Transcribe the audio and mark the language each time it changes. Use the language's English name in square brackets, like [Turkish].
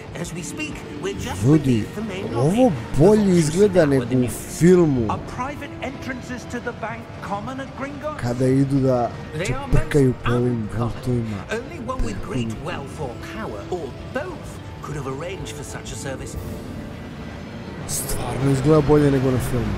[English] As we speak, we're just beneath the main lobby. [Serbian] Ovo bolje izgleda nego u filmu. [English] Are private entrances to the bank common at Gringotts? [Serbian] Kada idu da čeprkaju po ovim vaultovima. [English] Only one with great wealth or power, or both, could have arranged for such a service. [Serbian] Stvarno izgleda bolje nego na filmu.